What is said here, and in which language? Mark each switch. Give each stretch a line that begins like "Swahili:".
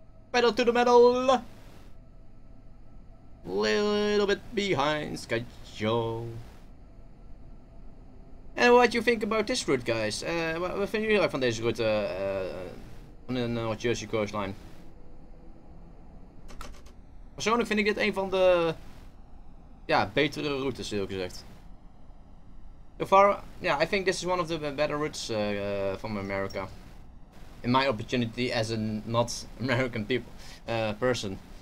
English: Pedal to the metal! Little bit behind schedule. And what do you think about this route, guys? What do you like from this route on the North Jersey coastline?
Dutch: Persoonlijk vind ik dit een van de betere routes, heel gezegd.
English: So far, I think this is one of the better routes from America. In my opportunity as a not American people person.